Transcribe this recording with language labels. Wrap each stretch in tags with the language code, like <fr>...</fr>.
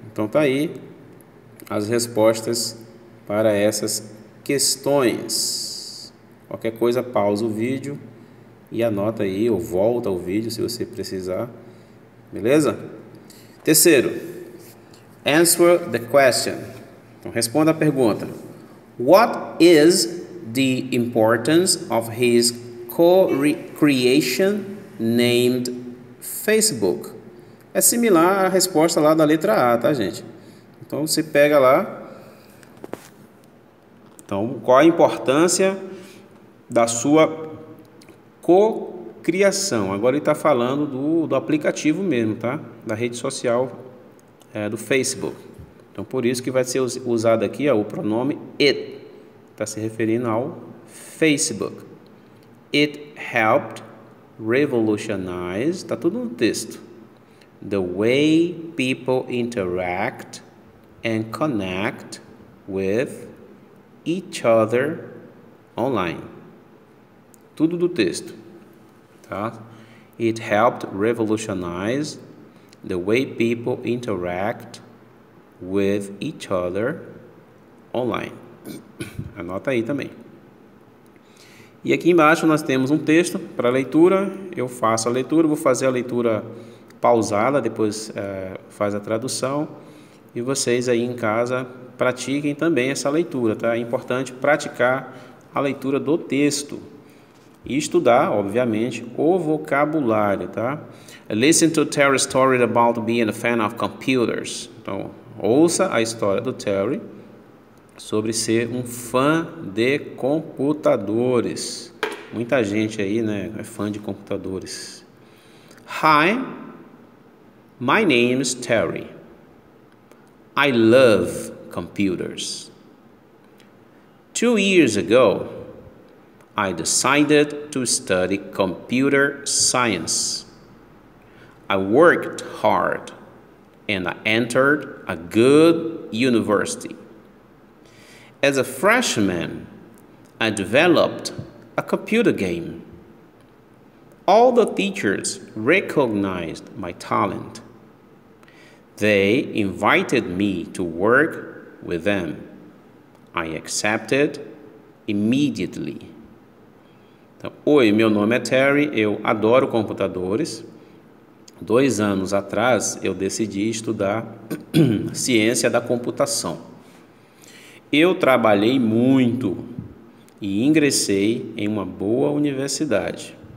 <pt>Então, tá aí as respostas para essas questões. Qualquer coisa, pausa o vídeo e anota aí, ou volta o vídeo se você precisar. Beleza? Terceiro.</pt> <en>Answer the question.</en> <pt>Então, responda a pergunta.</pt> <en>What is the importance of his co-creation named Facebook?</en> <pt>É similar à resposta lá da letra A, tá, gente? Então, você pega lá. Então, qual a importância da sua co-criação? Agora ele está falando do aplicativo mesmo, tá? Da rede social do Facebook. Então, por isso que vai ser usado aqui o pronome it. Está se referindo ao Facebook.</pt> <en>It helped revolutionize.</en> <pt>Está tudo no texto.</pt> <en>The way people interact and connect with each other online.</en> <pt>Tudo do texto. Tá?</pt> <en>It helped revolutionize the way people interact with each other online.</en> <pt>Anota aí também. E aqui embaixo nós temos um texto para leitura. Eu faço a leitura, vou fazer a leitura pausada, depois faz a tradução. E vocês aí em casa pratiquem também essa leitura. Tá? É importante praticar a leitura do texto. E estudar, obviamente, o vocabulário, tá?</pt> <en>Listen to Terry's story about being a fan of computers.</en> <pt>Então, ouça a história do Terry sobre ser um fã de computadores. Muita gente aí, né, é fã de computadores.</pt> <en>Hi, my name is Terry. I love computers. 2 years ago, I decided to study computer science. I worked hard and I entered a good university. As a freshman, I developed a computer game. All the teachers recognized my talent. They invited me to work with them. I accepted immediately.</en> <pt>Então, oi, meu nome é Terry, eu adoro computadores. 2 anos atrás, eu decidi estudar ciência da computação. Eu trabalhei muito e ingressei em uma boa universidade.</pt>